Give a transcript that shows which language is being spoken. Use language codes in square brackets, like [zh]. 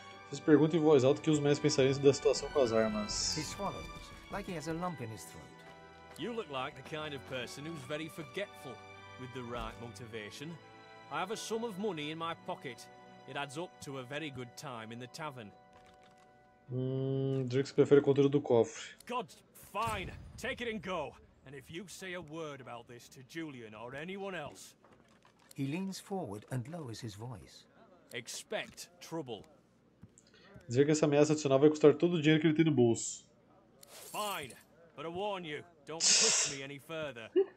[pt] Vocês perguntam em voz alta o que os mestres pensariam da situação com as armas. [en] He swallows, like he has a lump in his throat. You look like the kind of person who's very forgetful with the right motivation. I have a sum of money in my pocket. It adds up to a very good time in the tavern. [pt] Drix prefere o conteúdo do cofre. [en] God, fine. Take it and go. And if you say a word about this to Julian or anyone else. He leans forward and lowers his voice. Expect trouble. [pt] Dizer que essa ameaça adicional vai custar todo o dinheiro que ele tem no bolso. [en] Fine, but I warn you, don't push me any further.